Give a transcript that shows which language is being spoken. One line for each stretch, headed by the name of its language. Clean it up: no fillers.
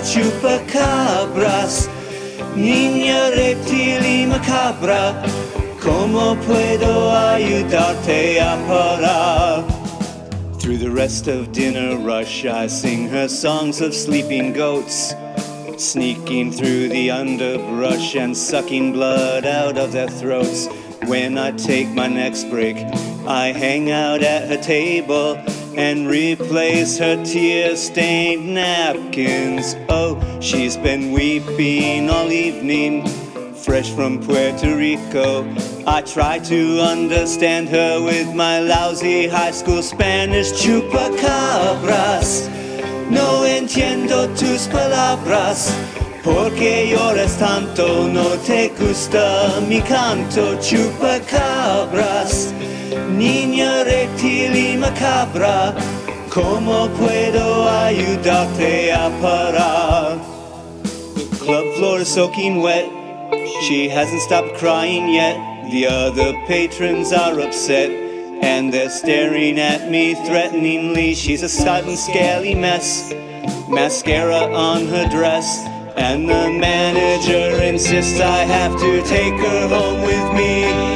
Spanish: Chupacabras, niña reptil y macabra. ¿Cómo puedo ayudarte a parar?
English: Through the rest of dinner rush, I sing her songs of sleeping goats, sneaking through the underbrush and sucking blood out of their throats. When I take my next break, I hang out at her table and replace her tear-stained napkins. Oh, she's been weeping all evening, fresh from Puerto Rico. I try to understand her with my lousy high school Spanish.
Spanish: Chupacabras, no entiendo tus palabras. ¿Por qué lloras tanto? No te gusta mi canto. Chupacabras, niña reptil y macabra. ¿Cómo puedo ayudarte a parar?
English: The club floor is soaking wet. She hasn't stopped crying yet. The other patrons are upset, and they're staring at me threateningly. She's a sodden, scaly mess, mascara on her dress, and the manager insists I have to take her home with me.